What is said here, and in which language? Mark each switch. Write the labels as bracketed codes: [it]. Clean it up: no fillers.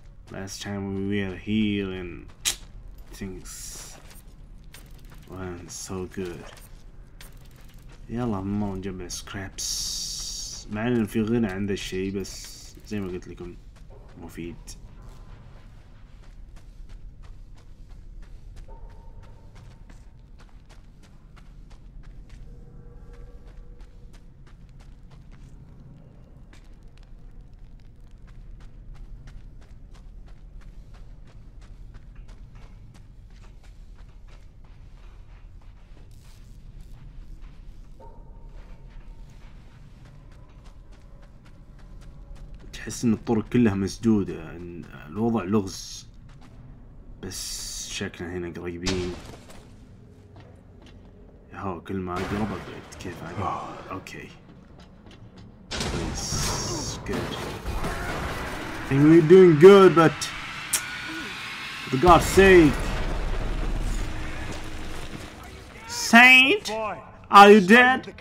[en] Last time we were here and things went so good. [ar] يلا ما نجمع سكرابس، مع ان في غنى عند الشيء بس زي ما قلت لكم مفيد. احس ان الطرق كلها مسدودة، الوضع لغز، بس شكلنا هنا قريبين. هو كل ما اقرب ابعد كيف اقرب. [en] Okay بس جود think we're doing good but for God's sake Saint are you dead?